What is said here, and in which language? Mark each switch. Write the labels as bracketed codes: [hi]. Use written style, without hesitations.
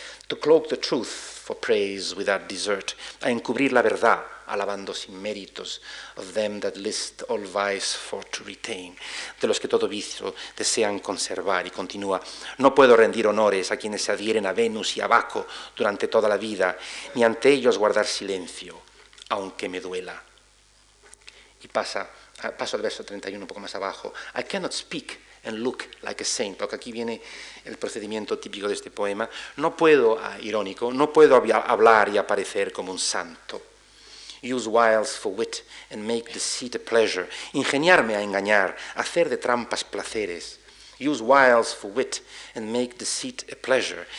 [en] To cloak the truth for praise without desert, [es] a encubrir la verdad, alabando sin méritos, [en] of them that list all vice for to retain, [es] de los que todo vicio desean conservar. Y continúa, no puedo rendir honores a quienes se adhieren a Venus y a Baco durante toda la vida, ni ante ellos guardar silencio, aunque me duela. Y paso al verso 31, un poco más abajo. [en] I cannot speak and look like a saint. [es] Porque aquí viene el procedimiento típico de este poema. No puedo, irónico, no puedo hablar y aparecer como un santo. [en] Use wiles for wit and make deceit a pleasure. [es] Ingeniarme a engañar, hacer de trampas placeres. [en] Use wiles for wit and make deceit a pleasure.